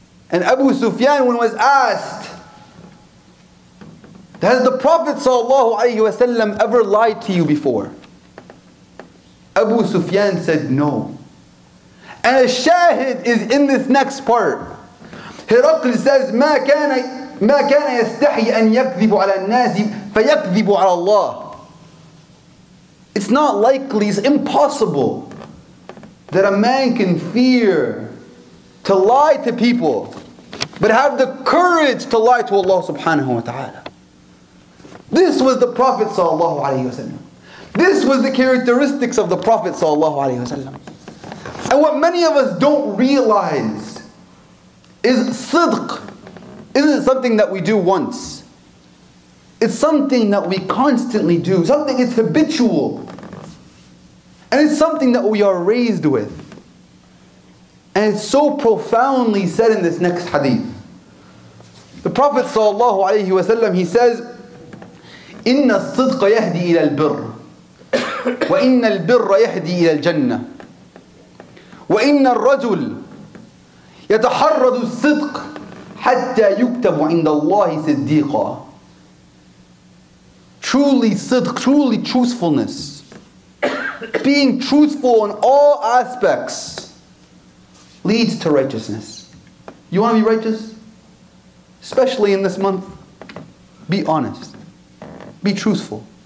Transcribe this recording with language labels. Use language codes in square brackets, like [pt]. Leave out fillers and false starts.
[en] And Abu Sufyan, when was asked, has the Prophet sallallahu alaihi wasallam ever lied to you before? Abu Sufyan said no. And a shahid is in this next part. Hiraql says, [ar] ما كان يستحي أن يكذب على الناس فيكذب على الله. [en] It's not likely, it's impossible that a man can fear to lie to people but have the courage to lie to Allah subhanahu wa ta'ala. This was the Prophet sallallahu alaihi wasallam. This was the characteristics of the Prophet sallallahu alaihi wasallam. And what many of us don't realize is sidq isn't something that we do once. It's something that we constantly do. Something it's habitual. And it's something that we are raised with. And it's so profoundly said in this next hadith. The Prophet sallallahu alaihi wasallam, he says, [ar] إن الصدق يهدي إلى البر وإن البر يهدي إلى الجنة وإن الرجل يتحرد الصدق حتى يكتب عند الله صديقا. [en] Truly صدق, truly truthfulness. Being truthful in all aspects leads to righteousness. You want to be righteous? Especially in this month, be honest, be truthful.